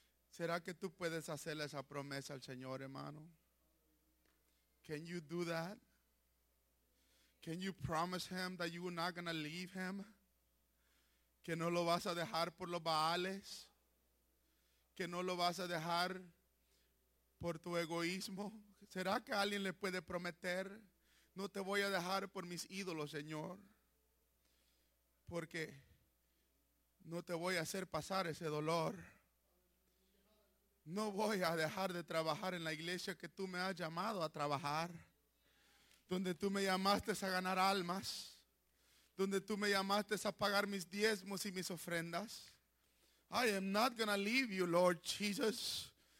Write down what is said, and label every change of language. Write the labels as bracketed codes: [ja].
[es] ¿Será que tú puedes hacerle esa promesa al Señor, hermano? [en] Can you do that? Can you promise him that you're not gonna leave him? [es] Que no lo vas a dejar por los baales. Que no lo vas a dejar por tu egoísmo. ¿Será que alguien le puede prometer? No te voy a dejar por mis ídolos, Señor. Porque no te voy a hacer pasar ese dolor. No voy a dejar de trabajar en la iglesia que tú me has llamado a trabajar. Donde tú me llamaste a ganar almas. Donde tú me llamaste a pagar mis diezmos y mis ofrendas. [en] I am not gonna leave you, Lord Jesus.